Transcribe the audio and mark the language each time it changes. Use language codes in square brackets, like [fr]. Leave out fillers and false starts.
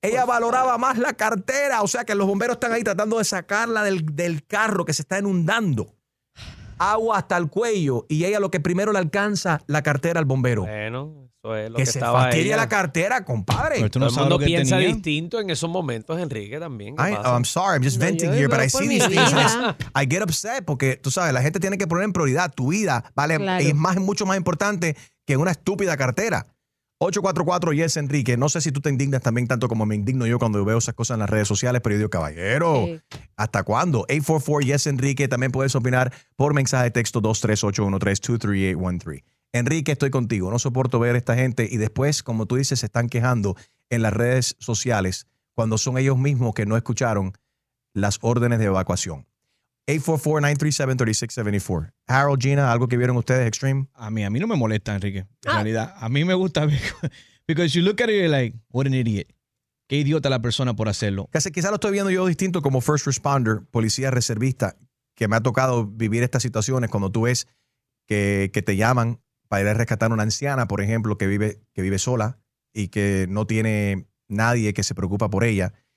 [es] ella valoraba más la cartera. O sea que los bomberos están ahí tratando de sacarla del carro que se está inundando. Agua hasta el cuello. Y ella lo que primero le alcanza la cartera al bombero. Bueno, eso es lo que estaba ahí. Que se fastidia la cartera, compadre. Pero no todo el mundo lo que piensa tenía. Distinto en esos momentos, Enrique, también. [en] I'm sorry, I'm just venting here, but I see these things. I get upset [es] porque, tú sabes, la gente tiene que poner en prioridad tu vida, ¿vale? Claro. Y es más, mucho más importante que una estúpida cartera. 844, yes, Enrique. No sé si tú te indignas también tanto como me indigno yo cuando veo esas cosas en las redes sociales, pero yo digo, caballero, ¿hasta cuándo? 844, yes, Enrique. También puedes opinar por mensaje de texto 23813-23813. Enrique, estoy contigo. No soporto ver a esta gente. Y después, como tú dices, se están quejando en las redes sociales cuando son ellos mismos que no escucharon las órdenes de evacuación. 844-937-3674. Harold, Gina, ¿algo que vieron ustedes, Extreme? A mí no me molesta, Enrique. En realidad, a mí me gusta. [en] Because you look at it, you're like, what an idiot. [es] Qué idiota la persona por hacerlo. Quizá lo estoy viendo yo distinto como first responder, policía reservista, que me ha tocado vivir estas situaciones cuando tú ves que te llaman para ir a rescatar a una anciana, por ejemplo, que vive sola y que no tiene nadie que se preocupa por ella.